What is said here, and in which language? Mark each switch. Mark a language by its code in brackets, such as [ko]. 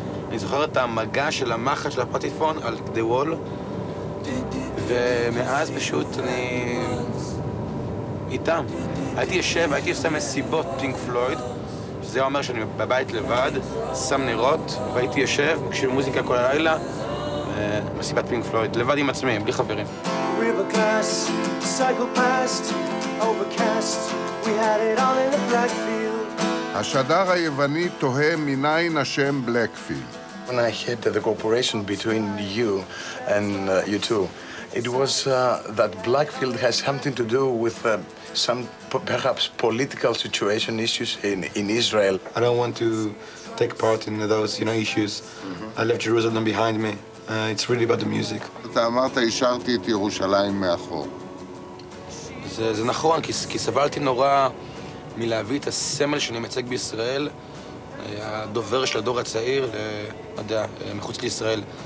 [he] אני זוכר את המגע של המחל של הפטיפון על The Wall, ומאז פשוט אני איתם. הייתי יושב, הייתי עושה מסיבות פינק פלויד, שזה אומר שאני בבית לבד, שם נרות, והייתי יושב, מקשיב מוזיקה כל הלילה, מסיבת פינק פלויד, לבד עם עצמי, בלי חברים. [en] River glass, cycle past, overcast, we had it all in the black field. [he] השדר היווני תוהה מניין השם בלק פילד. [en] When I heard the cooperation between you and you two, it was that Blackfield has something to do with perhaps political situation issues in Israel. I don't want to take part in those, you know, issues. Mm-hmm. I left Jerusalem behind me. It's really about the music. [he] אתה אמרת, השארתי את ירושלים מאחור. זה נכון, כי סבלתי נורא מלהביא את הסמל שאני מצג בישראל, הדובר של הדור הצעיר, יודע, מחוץ לישראל.